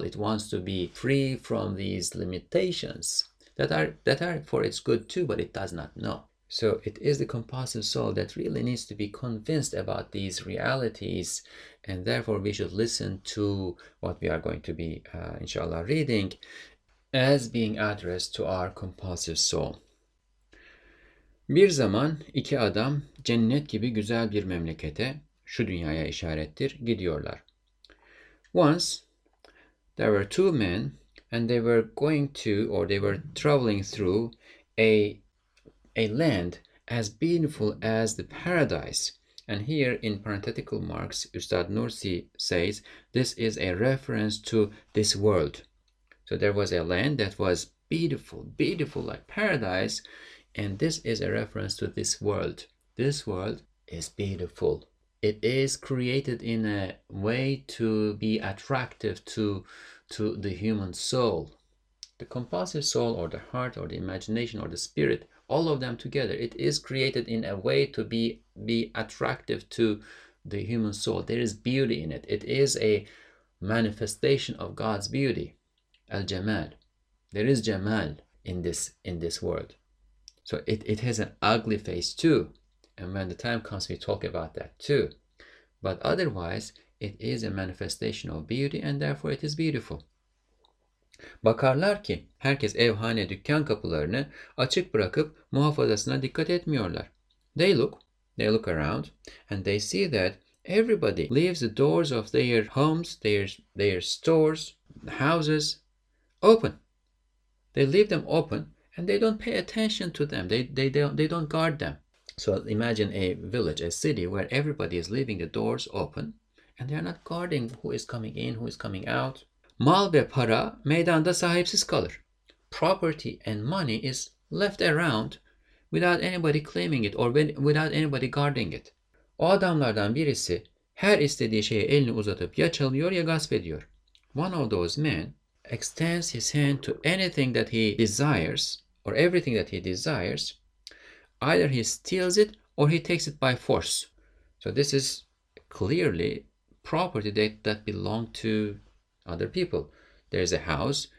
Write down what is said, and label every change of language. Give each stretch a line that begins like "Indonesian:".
English: It wants to be free from these limitations that are for its good too, but it does not know. So it is the compulsive soul that really needs to be convinced about these realities, and therefore we should listen to what we are going to be, inshallah, reading as being addressed to our compulsive soul.
Turkish: Bir zaman iki adam cennet gibi güzel bir memlekete, şu dünyaya işarettir, gidiyorlar.
English: Once, there were two men and they were going to, or they were traveling through a land as beautiful as the paradise. And here in parenthetical marks, Ustad Nursi says, this is a reference to this world. So there was a land that was beautiful, beautiful like paradise. And this is a reference to this world. This world is beautiful. It is created in a way to be attractive to the human soul. The composite soul or the heart or the imagination or the spirit, all of them together, it is created in a way to be attractive to the human soul. There is beauty in it. It is a manifestation of God's beauty, al-jamal. There is jamal in this world. So it has an ugly face too. And when the time comes, we talk about that too. But otherwise, it is a manifestation of beauty, and therefore it is beautiful.
Turkish: Bakarlar ki herkes evhane dükkan kapılarını açık bırakıp muhafazasına dikkat etmiyorlar.
English: They look around and they see that everybody leaves the doors of their homes, their stores, houses open. They leave them open and they don't pay attention to them. They don't guard them. So imagine a village, a city where everybody is leaving the doors open and they are not guarding who is coming in, who is coming out.
Turkish: Mal ve para meydanda sahipsiz kalır.
English: Property and money is left around without anybody claiming it or without anybody guarding it.
Turkish: O adamlardan birisi her istediği şeye elini uzatıp ya çalıyor ya gasp ediyor.
English: One of those men extends his hand to anything that he desires or everything that he desires. Either he steals it or he takes it by force. So this is clearly property that belonged to other people. There is a house.